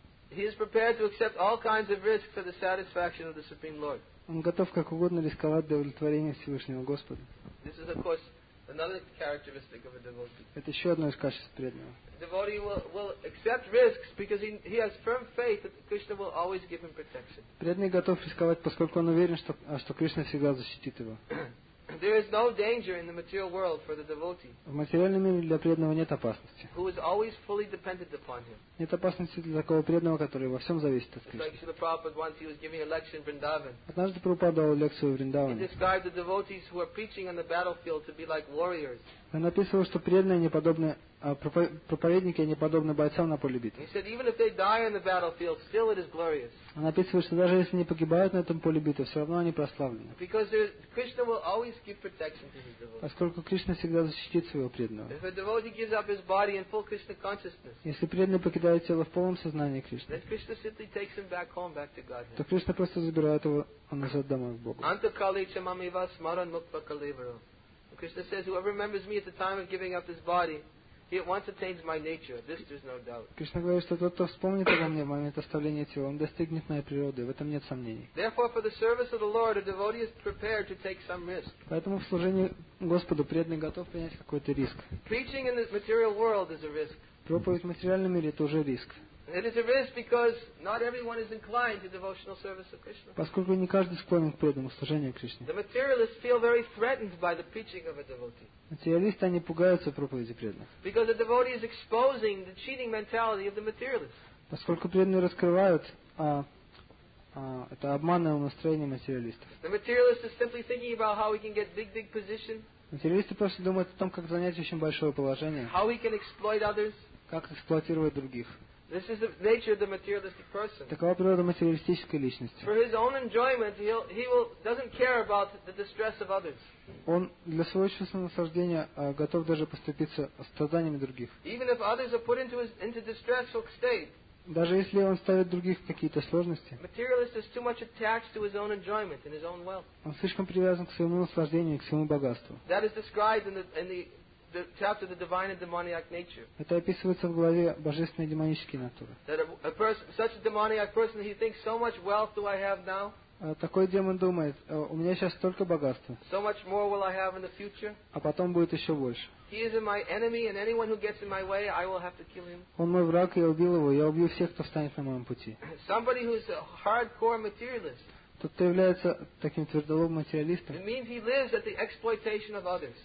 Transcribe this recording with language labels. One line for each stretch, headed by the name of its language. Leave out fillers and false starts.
English: He is prepared to accept all kinds of risks for the satisfaction of the Supreme Lord.
Russian: Он готов как угодно рисковать для удовлетворения Всевышнего Господа.
English: This is, of course, another characteristic of a devotee.
Russian: Это еще одно из качеств преданного.
English: A devotee will accept risks because he has firm faith that Krishna will always give him protection.
Russian: Преданный готов рисковать, поскольку он уверен, что Кришна всегда защитит его.
English: There is no danger in the material world for the devotee.
Russian: В материальном мире для преданного нет опасности.
English: Who is always fully dependent upon him.
Russian: Нет опасности для такого преданного, который во всем зависит от Кришны.
English: It's like Srila Prabhupada once he was giving a lecture in Vrindavan.
Russian: Однажды Прабхупада дал лекцию в Вриндаване.
English: He described the devotees who are preaching on the battlefield to be like warriors.
Russian: Он написал, что преданные не подобны проповедники, не подобны бойцам на поле битвы.
English: He said even if they die on the battlefield, still it is glorious.
Russian: Он написал, что даже если они погибают на этом поле битвы, все равно они прославлены.
English: Because there, Krishna will always give protection to his devotees.
Russian: Поскольку Кришна всегда защитит своего преданного.
English: If a devotee gives up his body in full Krishna consciousness.
Russian: Если преданный покидает тело в полном сознании Кришны.
English: Then Krishna simply takes him back home, back to Godhead.
Russian: То Кришна просто забирает его назад домой к Богу.
Sanskrit: Antakali chamamiva smaran mukta kalivaro.
English: Krishna says, whoever remembers me at the time of giving up his body, he at once attains my nature. This there's no doubt.
Russian: Кришна говорит, что тот, кто вспомнит обо мне в момент оставления тела, он достигнет моей природы. В этом нет сомнений.
English: Therefore, for the service of the Lord, a devotee is prepared to take some risk.
Russian: Поэтому в служении Господу преданный готов принять какой-то риск.
English: Preaching in the material world is a risk.
Russian: Проповедь в материальном мире это уже риск.
English: It is a risk because not everyone is inclined to devotional service of Krishna.
Russian: Поскольку не каждый склонен к преданному служению Кришне.
English: The materialists feel very threatened by the preaching of a devotee.
Russian: Материалисты они пугаются проповеди преданных.
English: Because a devotee is exposing the cheating mentality of the materialists.
Russian: Поскольку преданные раскрывают это обманное настроение материалистов.
English: The materialist is simply thinking about how he can get big position.
Russian: Материалисты просто думают о том, как занять очень большое положение.
English: How he can exploit others.
Russian: Как эксплуатировать других.
English: This is the nature of the materialistic person.
Russian: Такова природа материалистической личности.
English: For his own enjoyment, he doesn't care about the distress of others.
Russian: Он для своего собственного наслаждения готов даже поступиться страданиями других.
English: Even if others are put into distressful state.
Russian: Даже если он ставит других в какие-то сложности.
English: Materialist is too much attached to his own enjoyment and his own wealth.
Russian: Он слишком привязан к своему наслаждению и к своему богатству.
English: That is described in the chapter of the divine and demoniac nature.
Russian: Это описывается в главе божественной демонической натуры.
English: That a person, such a demoniac person, he thinks so much wealth do I have now.
Russian: Такой демон думает, у меня сейчас столько богатства.
English: So much more will I have in the future.
Russian: А потом будет еще больше.
English: He is my enemy, and anyone who gets in my way, I will have to kill him.
Russian: Он мой враг, я убил его, я убью всех, кто встанет на моем пути.
English: Somebody who is a hardcore materialist.
Russian: Тот, кто является таким твердолобым материалистом,
English: it means he lives at the exploitation of others.